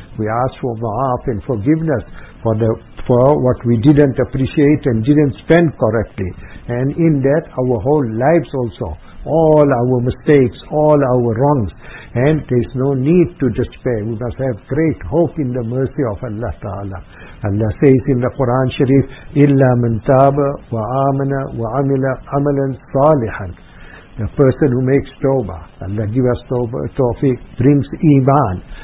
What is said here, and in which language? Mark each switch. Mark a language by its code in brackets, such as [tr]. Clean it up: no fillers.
[en] We ask for ma'af and forgiveness for what we didn't appreciate and didn't spend correctly. And in that, our whole lives also. All our mistakes, all our wrongs. And there is no need to despair. We must have great hope in the mercy of Allah Ta'ala. Allah says in the Quran Sharif, [ar] إِلَّا مَنْ تَابَ وَآمَنَ وَعَمِلَ عَمَلًا صَالِحًا. [en] The person who makes tawbah, Allah give us tawfiq, brings iman.